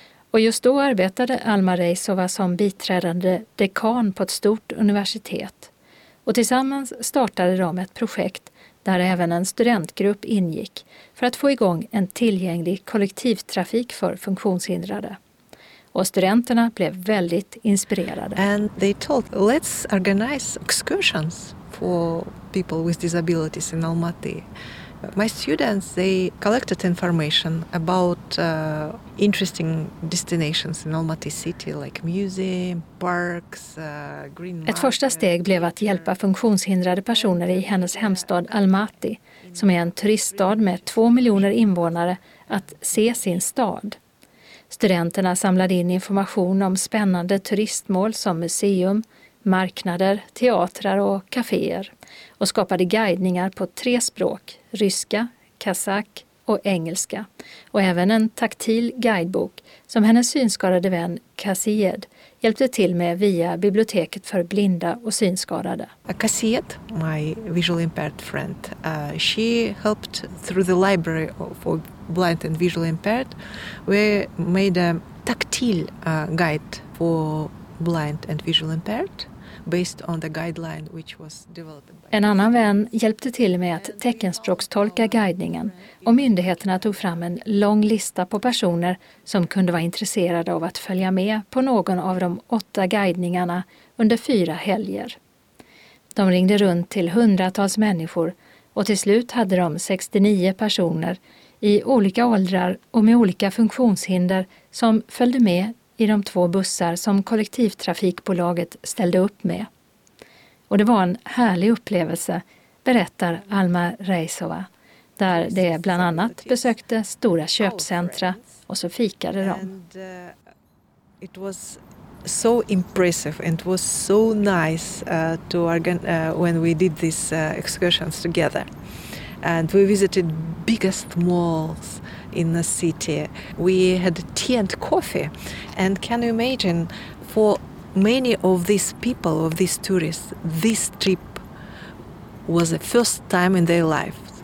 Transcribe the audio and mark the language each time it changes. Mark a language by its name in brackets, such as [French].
[Swedish] Och just då arbetade Alma Reisova som biträdande dekan på ett stort universitet. Och tillsammans startade de ett projekt där även en studentgrupp ingick för att få igång en tillgänglig kollektivtrafik för funktionshindrade. Och studenterna blev väldigt inspirerade. [English] And they told, let's organize excursions for people with disabilities in Almaty. My students, they collected information about interesting destinations in Almaty city, like museum, parks, green market. [Swedish] Ett första steg blev att hjälpa funktionshindrade personer i hennes hemstad Almaty, som är en turiststad med 2 miljoner invånare, att se sin stad. Studenterna samlade in information om spännande turistmål som museum, marknader, teatrar och kaféer och skapade guidningar på 3 språk, ryska, kazak och engelska. Och även en taktil guidebok som hennes synskadade vän Kasied hjälpte till med via biblioteket för blinda och synskadade. [English] Kasied, my visually impaired friend, she helped through the library for blind and visually impaired. We made a tactile guide for blind and visually impaired. Based on the guideline which was developed by... [Swedish] En annan vän hjälpte till med att teckenspråkstolka guidningen och myndigheterna tog fram en lång lista på personer som kunde vara intresserade av att följa med på någon av de 8 guidningarna under 4 helger. De ringde runt till 100-tals människor och till slut hade de 69 personer i olika åldrar och med olika funktionshinder som följde med i de 2 bussar som kollektivtrafikbolaget ställde upp med. Och det var en härlig upplevelse, berättar Alma Reisova, där de bland annat besökte stora köpcentra och så fikade de. [English] It was so impressive and it was so nice to when we did these excursions together. And we visited biggest malls in the city. We had tea and coffee. And can you imagine, for many of these people, of these tourists, this trip was the first time in their life.